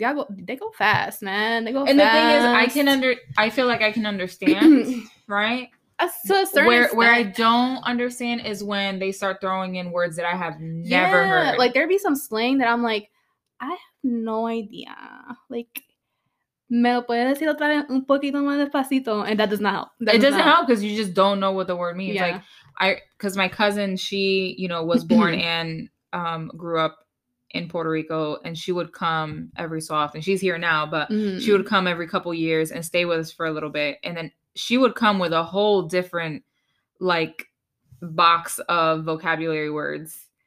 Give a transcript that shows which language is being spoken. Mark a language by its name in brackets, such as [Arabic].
[English] Yeah, they go fast, man. They go and fast. And the thing is, I feel like I can understand, right? Where I don't understand is when they start throwing in words that I have never heard. Like, there'd be some slang that I'm like, I have no idea. [Spanish] Like, me lo puedes decir otra vez un poquito más despacito? [English] And that does not help. It doesn't help because you just don't know what the word means. Yeah. Like, because my cousin, she, you know, was born and grew up in Puerto Rico, and she would come every so often. She's here now, but she would come every couple years and stay with us for a little bit. And then she would come with a whole different, like, box of vocabulary words.